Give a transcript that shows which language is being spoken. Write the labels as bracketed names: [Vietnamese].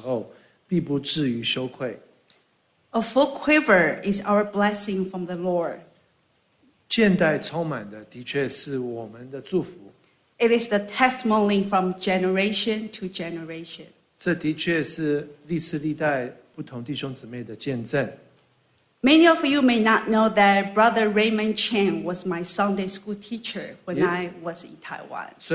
[Chinese] 儿女是耶和华所赐的产业，所怀的胎是他所给的赏赐。少年时所生的儿女，好像勇士手中的箭，箭带充满的人便为有福。他们在城门口和仇敌说话的时候，必不至于羞愧。 [English] A full quiver is our blessing from the Lord. [Chinese] 箭带充满的的确是我们的祝福。 [English] It is the testimony from generation to generation. [Chinese] 这的确是历世历代不同弟兄姊妹的见证。 [English] Many of you may not know that Brother Raymond Chan was my Sunday school teacher when I was in Taiwan.